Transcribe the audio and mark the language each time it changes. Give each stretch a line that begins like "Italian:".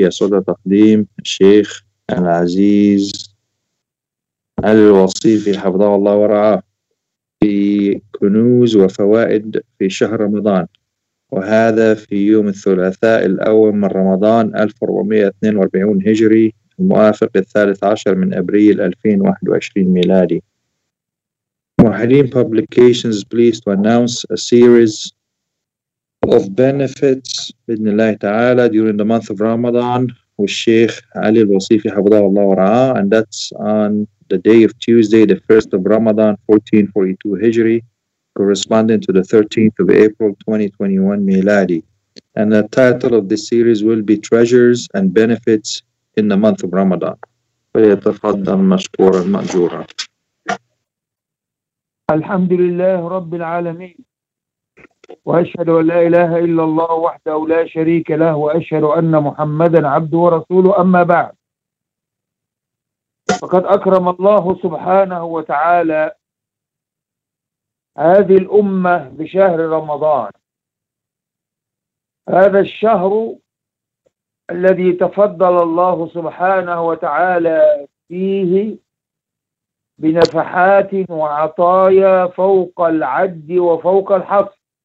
Arabic: يا صدى تقديم الشيخ العزيز الوصيفي حفظه الله ورعاه في كنوز وفوائد في شهر رمضان، وهذا في يوم الثلاثاء الأول من رمضان 1442 هجري الموافق 13 من أبريل 2021 ميلادي.
English: Muhaddin Publications is pleased to announce a series of benefits
Arabic: بإذن الله تعالى
English: during the month of Ramadan with Sheikh Ali Al-Wasifi
Arabic: حفظه الله ورعاه,
English: and that's on the day of Tuesday, the 1st of Ramadan, 1442 Hijri, corresponding to the 13th of April, 2021 ميلادي. And the title of this series will be Treasures and Benefits in the Month of Ramadan.
Arabic: فيتفضل مشكورا مأجورا. الحمد لله رب العالمين، وأشهد أن لا إله إلا الله وحده لا شريك له، وأشهد أن محمدا عبده ورسوله. أما بعد، فقد أكرم الله سبحانه وتعالى هذه الأمة بشهر رمضان، هذا الشهر الذي تفضل الله سبحانه وتعالى فيه بنفحات وعطايا فوق العد وفوق الحصر،